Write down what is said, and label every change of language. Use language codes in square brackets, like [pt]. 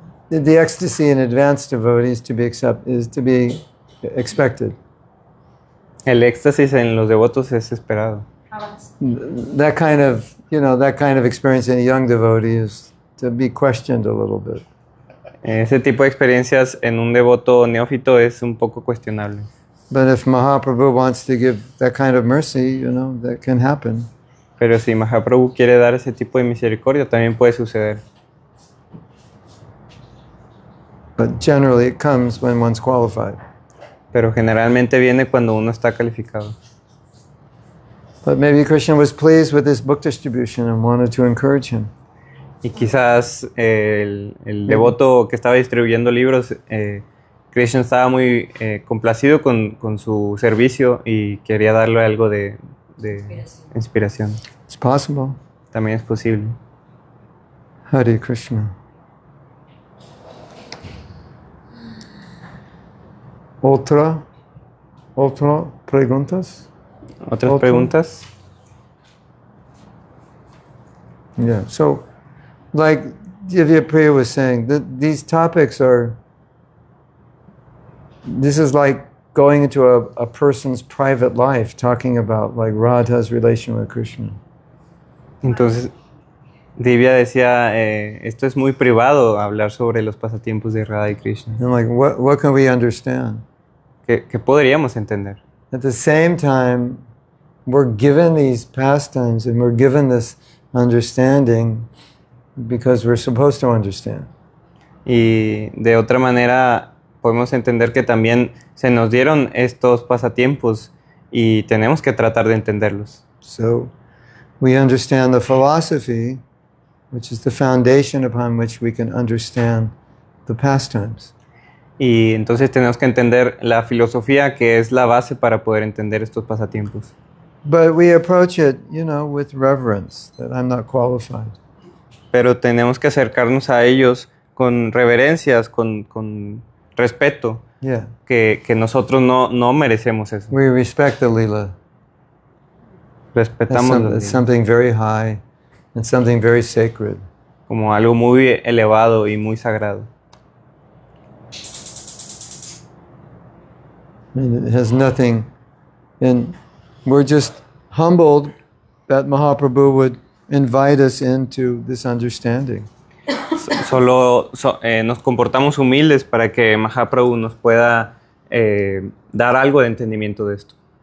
[en] The ecstasy in advanced devotees is to be expected. [es] El éxtasis en los devotos es esperado. [en] That kind of, you know, that kind of experience in a young devotee is to be questioned a little bit. [es] Ese tipo de experiencias en un devoto neófito es un poco cuestionable. [en] But if Mahaprabhu wants to give that kind of mercy, you know, that can happen. [es] Pero si Mahaprabhu quiere dar ese tipo de misericordia, también puede suceder. [en] But generally it comes when one's qualified. [es] Pero generalmente viene cuando uno está calificado. [en] But maybe Krishna was pleased with this book distribution and wanted to encourage him. [es] Y quizás el devoto que estaba distribuyendo libros, Krishna estaba muy complacido con su servicio y quería darle algo de inspiración. [en] It's possible. [es] También es posible. [en] Hare Krishna. [es] ¿Otra preguntas? ¿Otras preguntas? [en] Yeah, so, like Divyapriya was saying, that these topics are, this is like going into a person's private life, talking about like Radha's relation with Krishna. [es] Entonces, Divya decía, esto es muy privado, hablar sobre los pasatiempos de Radha y Krishna. [en] And like, what can we understand? [es] ¿Qué podríamos entender? [en] At the same time, we're given these pastimes and we're given this understanding because we're supposed to understand. [es] Y de otra manera, podemos entender que también se nos dieron estos pasatiempos y tenemos que tratar de entenderlos. [en] So, we understand the philosophy, which is the foundation upon which we can understand the pastimes. [es] Y entonces tenemos que entender la filosofía, que es la base para poder entender estos pasatiempos. [en] But we approach it, you know, with reverence, that I'm not qualified. [es] Pero tenemos que acercarnos a ellos con reverencias, con respeto, [en] yeah. [es] que nosotros no merecemos eso. [en] We respect the lila. [es] Respetamos la lila. [en] It's something very high and something very sacred. [es] Como algo muy elevado y muy sagrado. [en] And it has nothing, and we're just humbled that Mahaprabhu would invite us into this understanding. [es] Nos comportamos humildes para que Mahaprabhu nos pueda dar algo de entendimiento de esto.